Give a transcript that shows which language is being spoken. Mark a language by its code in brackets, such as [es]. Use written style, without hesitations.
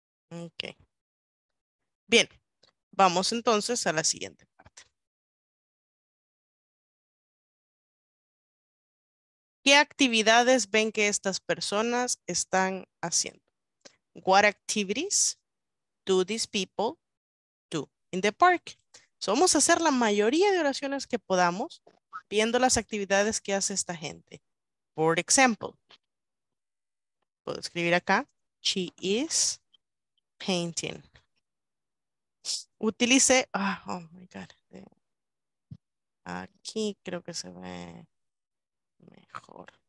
[es] Ok. Bien, vamos entonces a la siguiente parte. ¿Qué actividades ven que estas personas están haciendo? [en] What activities do these people do in the park? [es] So vamos a hacer la mayoría de oraciones que podamos viendo las actividades que hace esta gente. [en] For example, [es] puedo escribir acá, [en] she is painting. [es] Utilice, [en] oh, oh my God. [es] Aquí creo que se ve mejor.